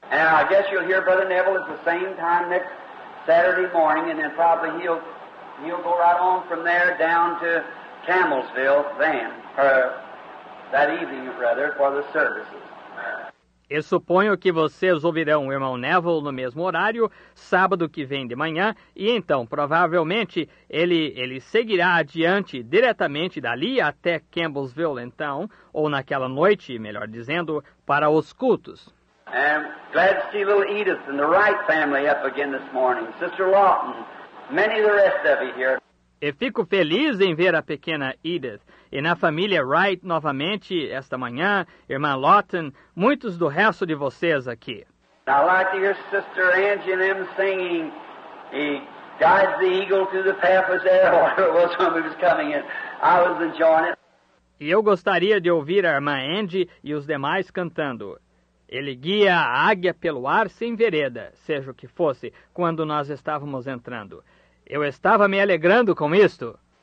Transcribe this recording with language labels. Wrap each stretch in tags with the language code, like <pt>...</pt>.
<en>And I guess you'll hear Brother Neville at the same time next Saturday morning, and then probably he'll go right on from there down to Camelsville then, or that evening rather, for the services.</en> <pt>E suponho que vocês ouvirão o irmão Neville no mesmo horário, sábado que vem de manhã, e então, provavelmente, ele seguirá adiante diretamente dali até Campbellsville, então, ou naquela noite, melhor dizendo, para os cultos.</pt> <en>And glad to see little Edith and the Wright family up again this morning. Sister Lawton, many of the rest of you here.</en> <pt>E fico feliz em ver a pequena Edith E na família Wright, novamente, esta manhã, irmã Lawton, muitos do resto de vocês aqui.</pt> <en>I like your sister Angie and them singing, "He guides the eagle through the pathless air," or somebody was coming in. I was enjoying it.</en> <pt>E eu gostaria de ouvir a irmã Angie e os demais cantando. Ele guia a águia pelo ar sem vereda, seja o que fosse, quando nós estávamos entrando. Eu estava me alegrando com isto.</pt>